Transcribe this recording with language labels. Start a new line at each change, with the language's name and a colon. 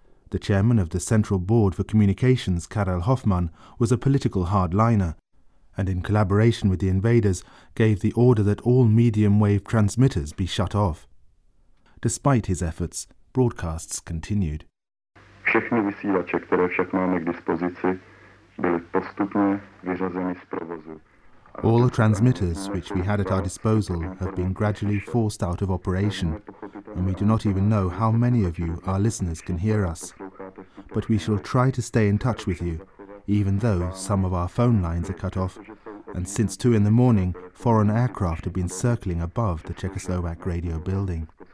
English: The chairman of the Central Board for Communications, Karel Hoffmann, was a political hardliner, and in collaboration with the invaders, gave the order that all medium-wave transmitters be shut off. Despite his efforts, broadcasts continued.
Czech: Všechny vysílače, které však máme k dispozici, byly postupně vyřazeny z provozu.
English: All the transmitters which we had at our disposal have been gradually forced out of operation, and we do not even know how many of you, our listeners, can hear us. But we shall try to stay in touch with you, even though some of our phone lines are cut off, and since 2 in the morning, foreign aircraft have been circling above the Czechoslovak radio building.